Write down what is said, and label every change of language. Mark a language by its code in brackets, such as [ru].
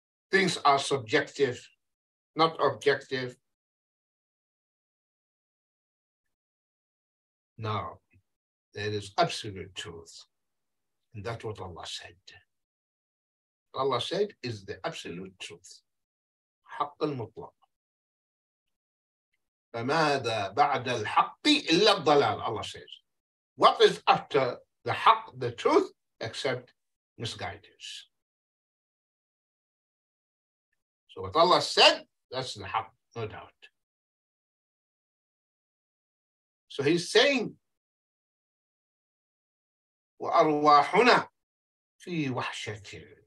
[en] Things are subjective, not objective. Now, there is absolute truth. And that's what Allah said. Allah said is the absolute truth. [ar] حق المطلق. فماذا بعد الحق إلا الضلال, [en] Allah says. What is after the haq, the truth, except misguidance? So what Allah said, that's the haq, no doubt. So he's saying, [ar] وَأَرْوَاحُنَا فِي وَحْشَةٍ.